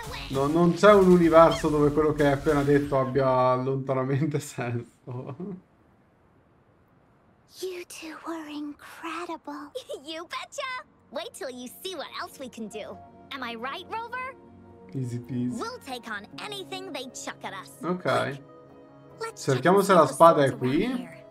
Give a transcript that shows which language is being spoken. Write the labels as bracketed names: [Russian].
[Italian] No, non c'è un universo dove quello che hai appena detto abbia lontanamente senso. [English] You two were incredible. You betcha. Wait till you see what else we can do. Am I right, Rover? Easy peasy. We'll take on anything they chuck at us. [Italian] Ok. [English] Let's [Italian] cerchiamo se la spada è qui.